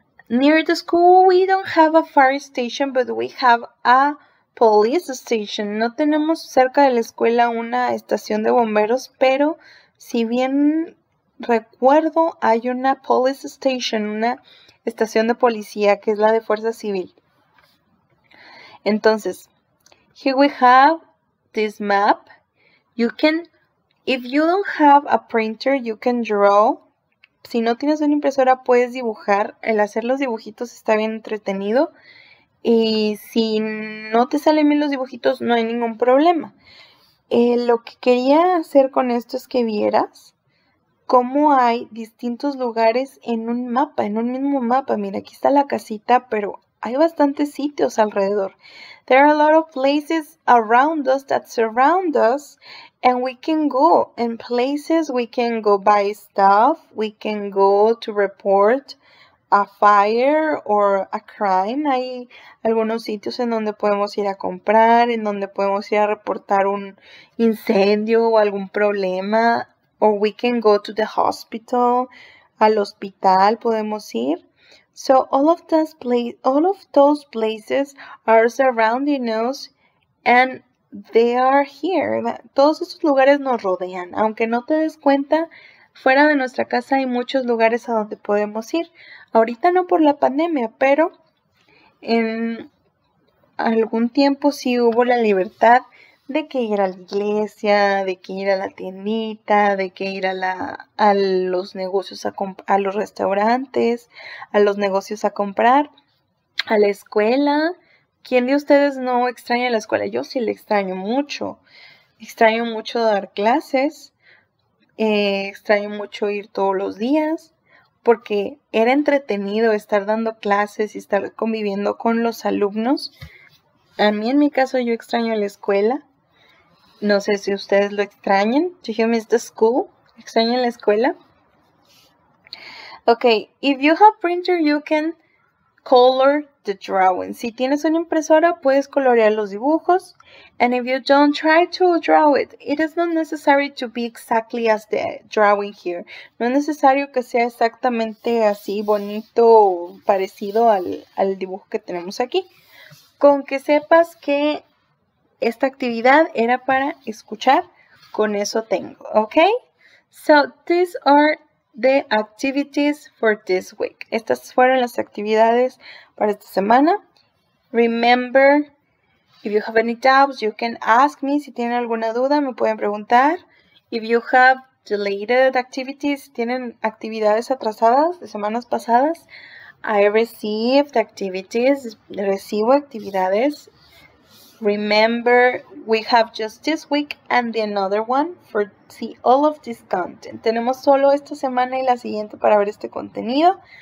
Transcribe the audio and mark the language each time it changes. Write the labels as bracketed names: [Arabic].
[English] Near the school, we don't have a fire station, but we have a police station. [Spanish] No tenemos cerca de la escuela una estación de bomberos, pero si bien recuerdo, hay una [English] police station, [Spanish] una estación de policía, que es la de Fuerza Civil. [English] Entonces, here we have this map. You can, if you don't have a printer, you can draw. [Spanish] Si no tienes una impresora, puedes dibujar. El hacer los dibujitos está bien entretenido. Y si no te salen bien los dibujitos, no hay ningún problema. Lo que quería hacer con esto es que vieras cómo hay distintos lugares en un mapa, en un mismo mapa. Mira, aquí está la casita, pero hay bastantes sitios alrededor. [English] There are a lot of places around us that surround us. And we can go in places, we can go buy stuff, we can go to report a fire or a crime. [Spanish] Hay algunos sitios en donde podemos ir a comprar, en donde podemos ir a reportar un incendio o algún problema. [English] Or we can go to the hospital, [Spanish] al hospital podemos ir. [English] So all of those places are surrounding us and they are here. [Spanish] Todos esos lugares nos rodean. Aunque no te des cuenta, fuera de nuestra casa hay muchos lugares a donde podemos ir. Ahorita no por la pandemia, pero en algún tiempo sí hubo la libertad de que ir a la iglesia, de que ir a la tiendita, de que ir a los negocios, a los restaurantes, a los negocios a comprar, a la escuela. ¿Quién de ustedes no extraña la escuela? Yo sí la extraño mucho. Extraño mucho dar clases. Extraño mucho ir todos los días. Porque era entretenido estar dando clases y estar conviviendo con los alumnos. A mí, en mi caso, yo extraño la escuela. No sé si ustedes lo extrañen. [English] Do you miss the school? [Spanish] ¿Extrañan la escuela? [English] Ok, if you have printer, you can color the drawing. [Spanish] Si tienes una impresora, puedes colorear los dibujos. [English] And if you don't, try to draw it. It is not necessary to be exactly as the drawing here. [Spanish] No es necesario que sea exactamente así, bonito, parecido al dibujo que tenemos aquí. Con que sepas que esta actividad era para escuchar, con eso tengo, ¿ok? [English] So, these are the activities for this week. [Spanish] Estas fueron las actividades para esta semana. [English] Remember, if you have any doubts, you can ask me. [Spanish] Si tienen alguna duda, me pueden preguntar. [English] If you have deleted activities, [Spanish] tienen actividades atrasadas de semanas pasadas, [English] I received activities, [Spanish] recibo actividades. [English] Remember, we have just this week and the another one for see all of this content. [Spanish] Tenemos solo esta semana y la siguiente para ver este contenido.